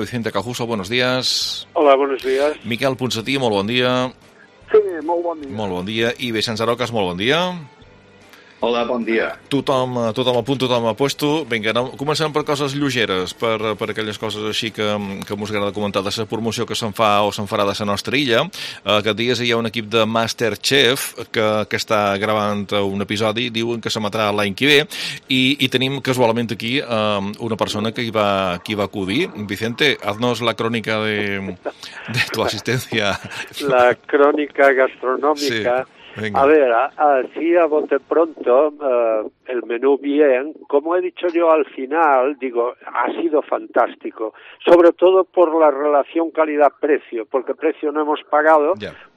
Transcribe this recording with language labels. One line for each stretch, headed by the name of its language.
Spanish: Vicente Cajuso, buenos días. Hola, buenos días.
Catalan: Miquel Ponsatí, molt bon dia. Sí, molt bon dia. Molt bon dia. I Vicenç Aroques, molt bon dia. Hola, bon dia. Tothom a punt, tothom a puesto. Vinga, comencem per coses lleugeres, per aquelles coses així que ens agrada comentar, de la promoció que se'n fa o se'n farà de la nostra illa. Aquest dia hi ha un equip de Masterchef que està gravant un episodi, diuen que s'emetrà l'any que ve, i tenim casualment aquí una persona que hi va acudir.
Spanish: Vicente, haznos la crònica de tu assistència.
Catalan: La crònica gastronòmica. Sí.
Spanish: Venga. A ver, así a bote pronto, el menú bien, como he dicho yo al final, digo, ha sido fantástico, sobre todo por la relación calidad-precio, porque precio no hemos pagado, ya.